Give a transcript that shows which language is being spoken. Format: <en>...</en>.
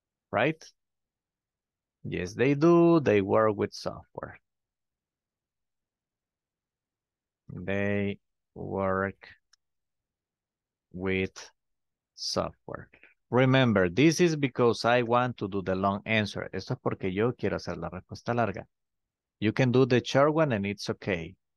<en>Right? Yes, they do. They work with software. They work with software. Remember, this is because I want to do the long answer.</en> <es>Esto es porque yo quiero hacer la respuesta larga.</es> <en>You can do the short one and it's okay.</en>